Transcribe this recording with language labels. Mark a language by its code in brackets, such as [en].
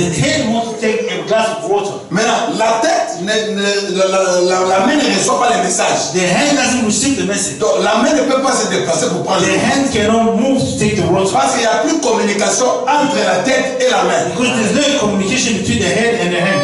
[en] The head wants to take a glass of water. [fr] Maintenant, la tête, la main ne reçoit pas le message. [en] The hand doesn't receive the message. [fr] Donc, la main ne peut pas se déplacer pour prendre [en] l'eau. The hand cannot move to take the water. [fr] Parce qu'il n'y a plus communication entre la tête et la main. [en] Because there's no communication between the head and the hand.